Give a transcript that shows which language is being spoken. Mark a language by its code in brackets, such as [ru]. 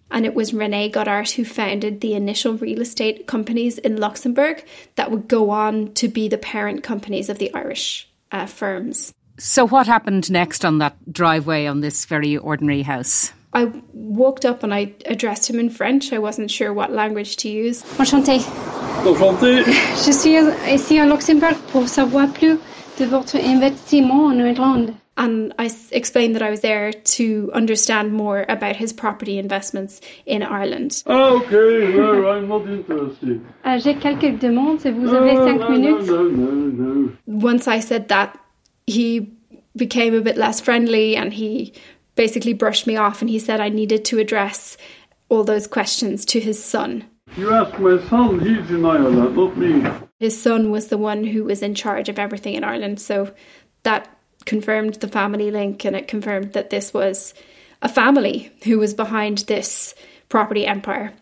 [en] And it was René Godart who founded the initial real estate companies in Luxembourg that would go on to be the parent companies of the Irish firms. So what happened next on that driveway on this very ordinary house? I walked up and I addressed him in French. I wasn't sure what language to use. [fr] Enchanté. Enchanté. Je suis ici à Luxembourg pour savoir plus de votre investissement en Irlande. [en] And I explained that I was there to understand more about his property investments in Ireland. Oh, okay, well, I'm not interested. [fr] J'ai quelques demandes, si vous avez cinq minutes. [en] No. Once I said that, he became a bit less friendly and he basically brushed me off and he said I needed to address all those questions to his son. You ask my son, he's in Ireland, not me. His son was the one who was in charge of everything in Ireland, so that confirmed the family link and it confirmed that this was a family who was behind this property empire.